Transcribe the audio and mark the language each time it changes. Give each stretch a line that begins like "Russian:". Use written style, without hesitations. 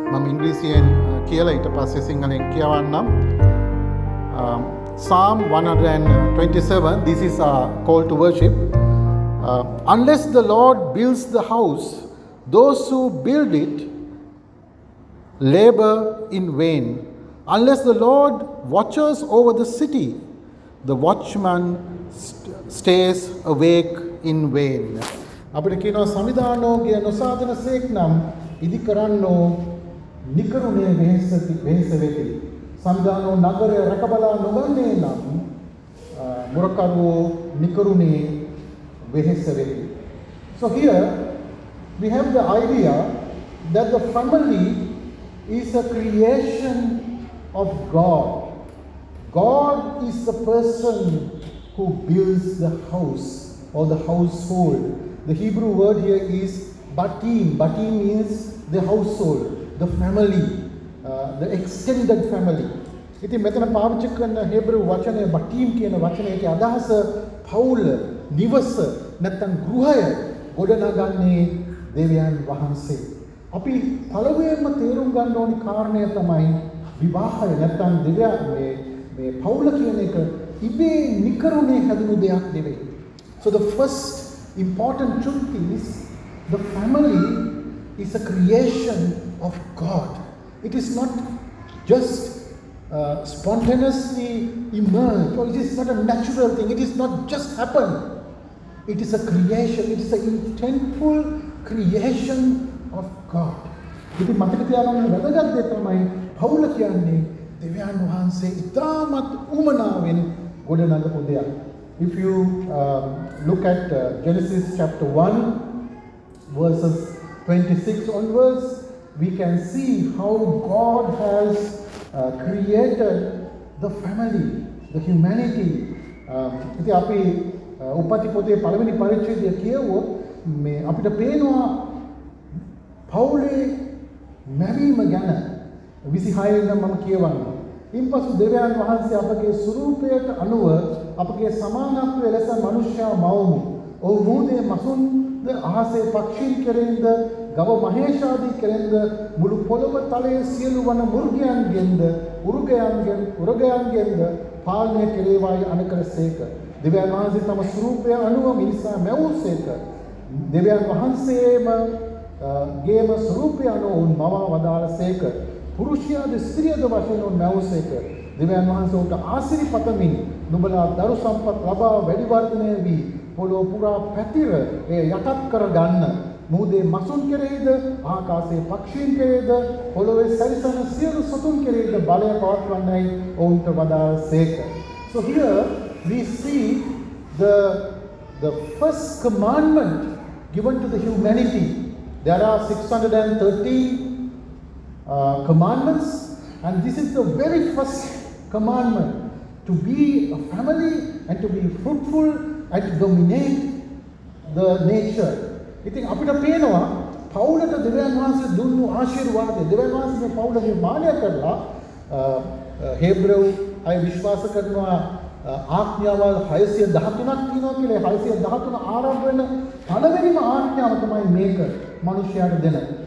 Sinhala: ඉංග්‍රීසියෙන් කියලා ඊට පස්සේ සිංහලෙන් කියවන්නම්.
English: Psalm 127, this is a call to worship. Unless the Lord builds the house, those who build it labor in vain. Unless the Lord watches over the city, the watchman stays awake in vain.
Sinhala: අපිට කියනවා සංවිධානෝ කිය නොසාධන සේක්නම් ඉදි කරන්නෝ නිකරුණේ වෙහෙසති වෙහෙස වෙති. සංවිධානෝ නගරය රකබලා නොගන්නේ නම් මුරකරුවෝ නිකරුණේ වෙහෙස වෙති.
English: So here we have the idea that the family is a creation of God. God is the person who builds the house or the household. The Hebrew word here is batim. Batim means the household, the family, the extended family.
Sinhala: ඉතින් මෙතන පාවිච්චි කරන හෙබ්‍රූ වචනය batim කියන වචනයේ අදහස පවුල, නිවස නැත්නම් ගෘහය ගොඩනගන්නේ දෙවියන් වහන්සේ. අපි පළවෙනිම තේරුම් ගන්න ඕනි කාරණය තමයි විවාහය නැත්නම් දෙවියන් මේ පවුල කියන එක ඉබේ නිකරුණේ හැදුණු දෙයක් නෙවෙයි.
English: So the first important truth is the family is a creation of God. It is not just spontaneously emerged, or it is not a natural thing. It is not just happened. It is a creation. It is an intentful creation of God.
Sinhala: ඉතින් මතක තියාගන්න වැදගත් දෙයක් තමයි පවුල කියන්නේ දෙවියන් වහන්සේ ඉතාමත් උමනාවෙන් ගොඩනගපු දෙයක්.
English: If you look at Genesis chapter 1 verses 26 onwards, we can see how God has created the family, the humanity.
Sinhala: ඉතින් අපි උපති පොතේ පළවෙනි පරිච්ඡේදය කියවුවොත් මේ අපිට පේනවා පවුලේ මැවීම ගැන 26 වෙනිදා මම කියවන්නේ. ඉන්පසු දෙවියන් වහන්සේ අපගේ ස්වරූපයට අනුව අපගේ සමානත්වයේ ලෙස මනුෂ්‍යව මවමු. ඔව් මූදේ මසුන්ද අහසේ පක්ෂීන් කෙරෙන්ද ගව මහේෂාදී කෙරෙන්ද මුළු පොළොව තලයේ සියලු වන මුර්ගයන්ගෙන්ද උරුගයන්ගෙන්ද පාලනය කෙරේවායි අනකර සේක. දෙවියන් වහන්සේ තම ස්වරූපය අනුව මිනිසා මැවූ සේක. දෙවියන් වහන්සේම ගේම ස්වරූපය අනුව උන් මවා වදාළ සේක. පුරුෂයාද ස්ත්‍රියද වශයෙන් උන් මැවූ සේක. දෙවියන් වහන්සේ උන්ට ආශිරි පතමින් නුඹලා දරු සම්පත් ලබා වැඩි වර්ධනය වී පොළොව පුරා පැතිර එය යටත් කර ගන්න. මුහුදේ මසුන් කෙරෙහිද ආකාශයේ පක්ෂීන් කෙරෙහිද පොළොවේ සැරිසන සියලු සතුන් කෙරෙහිද බලය පවත්වන්නයි ඔවුන්ට වදාළ සේක.
English: So here we see the first commandment given to the humanity. There are 613 commandments, and this is the very first commandment: to be a family and to be fruitful and to dominate the nature.
Sinhala: ඉතින් අපිට පේනවා පවුලට දෙවියන් වහන්සේ දුන්නු ආශිර්වාදය දෙවියන් වහන්සේ පවුල නිර්මාණය කරලා හෙබ්‍රෙව් අය විශ්වාස කරනවා ආඥාවල් 613ක් තියෙනවා කියලා. 613 ආරම්භ වෙන පළවෙනිම ආඥාව තමයි මේක මිනිසයාට දෙන.